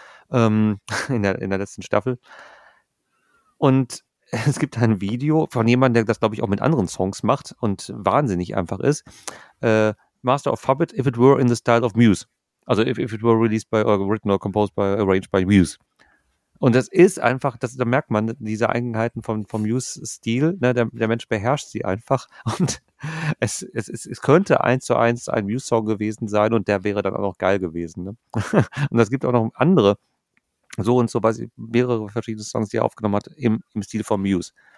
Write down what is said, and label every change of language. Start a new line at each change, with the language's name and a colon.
German: In der letzten Staffel. Und es gibt ein Video von jemandem, der das, glaube ich, auch mit anderen Songs macht und wahnsinnig einfach ist.
English: Master of Puppet, if it were in the style of Muse. Also if it were released by, or written or composed by, arranged by Muse.
German: Und das ist einfach, da merkt man diese Eigenheiten vom Muse-Stil. Ne? Der Mensch beherrscht sie einfach. Und es könnte eins zu eins ein Muse-Song gewesen sein und der wäre dann auch noch geil gewesen. Ne? Und es gibt auch noch andere, so und so, weiß ich, mehrere verschiedene Songs, die er aufgenommen hat, im Stil von Muse.